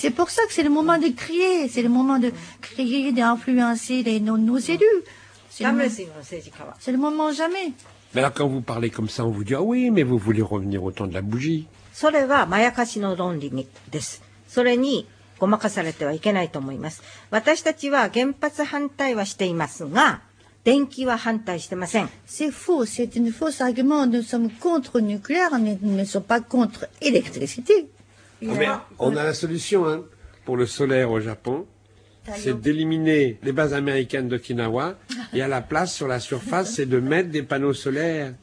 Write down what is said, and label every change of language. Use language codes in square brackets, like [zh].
[fr] C'est pour ça que c'est le moment de crier, c'est le moment de crier, d'influencer les, nos élus. Jamais, c'est le moment, [ja] 政治家は。 [fr] C'est le moment jamais. Mais alors, quand vous parlez comme ça, on vous dit, ah oui, mais vous voulez revenir au temps de la bougie. [ja] それはまやかしの論理です。それにごまかされてはいけないと思います。私たちは原発反対はしていますが、電気は反対してません。 [fr] C'est faux, c'est une fausse argument. Nous sommes contre le nucléaire, mais nous ne sommes pas contre l'électricité. On a la solution, hein, pour le solaire au Japon. C'est d'éliminer les bases américaines d'Okinawa et à la place, sur la surface, c'est de mettre des panneaux solaires.